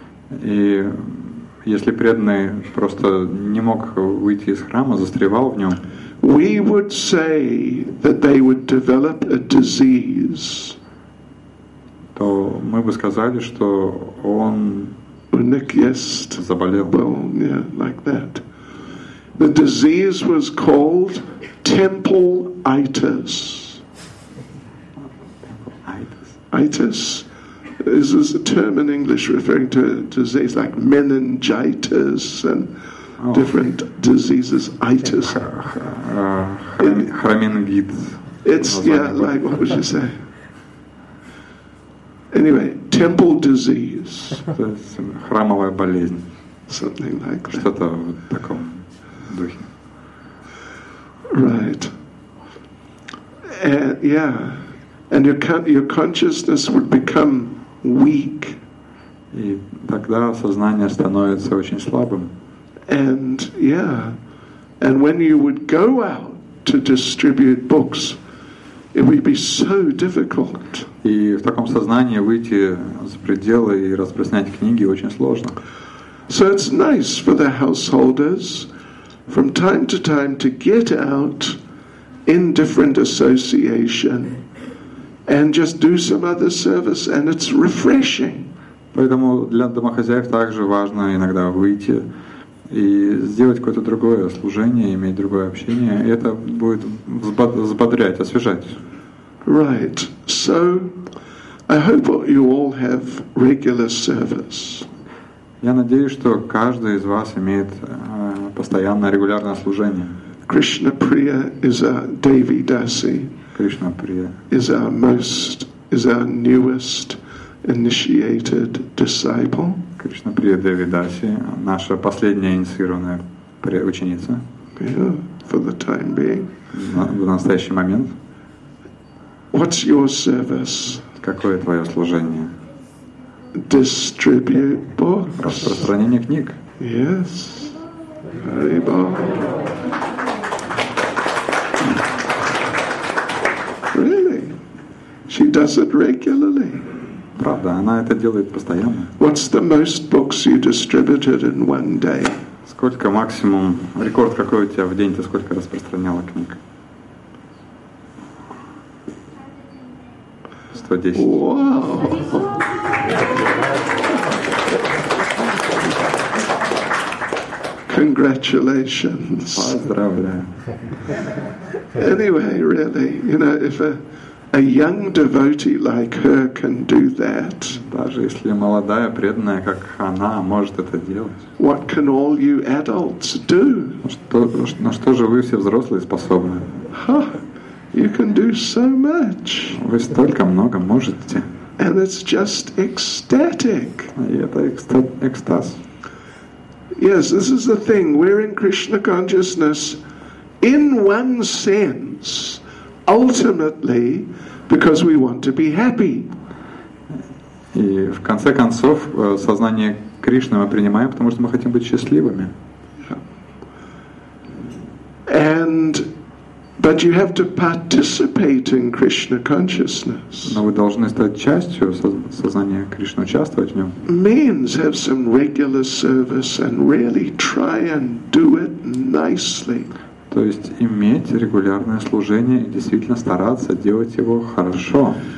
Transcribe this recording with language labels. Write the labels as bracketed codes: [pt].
[ru] И если преданный просто не мог выйти из храма, застревал в нем. [en] We would say that they would develop a disease. [ru] То мы бы сказали, что он заболел. [en] Well, yeah, like that. The disease was called temple-itis. Itis is a term in English referring to disease like meningitis and different diseases, itis. [ru] Хромингитис. [en] It's, yeah, like, what would you say? Anyway, temple disease. [ru] Храмовая болезнь. [en] Something like that. [ru] Что-то в таком духе. [en] Right. Yeah. And your consciousness would become weak. [ru] И тогда сознание становится очень слабым. [en] And yeah, and when you would go out to distribute books, it would be so difficult. [ru] И в таком сознании выйти за пределы и распространять книги очень сложно. [en] So it's nice for the householders from time to time to get out in different association and just do some other service, and it's refreshing. [ru] Поэтому для домохозяев также важно иногда выйти и сделать какое-то другое служение, иметь другое общение, и это будет взбодрять, освежать. [en] Right. So, I hope you all have regular service. [ru] Я надеюсь, что каждый из вас имеет постоянное, регулярное служение. [en] Krishna Priya is our Devi Dasi. Krishna Priya is our newest initiated disciple. [ru] Кришна Прия Деви Даси, наша последняя инициированная ученица. [en] Yeah, for the time being. [ru] В настоящий момент. [en] What's your service? [ru] Какое твое служение? [en] Distribute books. [ru] Распространение книг. [en] Yes. Hare Bhagavan. Really? She does it regularly. [ru] Правда, она это делает постоянно. [en] What's the most books you distributed in one day? [ru] Сколько максимум, рекорд какой у тебя в день, ты сколько распространяла книг? [en] 110. Wow. Congratulations. [ru] Поздравляю. [en] Anyway, really, you know, if a young devotee like her can do that. [ru] Даже если молодая преданная, как она, может это делать. [en] What can all you adults do? [ru] На что же вы все взрослые способны? [en] You can do so much. [ru] Вы столько много можете. [en] And it's just ecstatic. [ru] И это экстаз. [en] Yes, this is the thing. We're in Krishna consciousness. in one sense, ultimately, because we want to be happy. [ru] И в конце концов сознание Кришны мы принимаем, потому что мы хотим быть счастливыми. [en] And but you have to participate in Krishna consciousness. [ru] Но вы должны стать частью сознания Кришны, участвовать в нем. [en] Means have some regular service and really try and do it nicely. [ru] То есть иметь регулярное служение и действительно стараться делать его хорошо.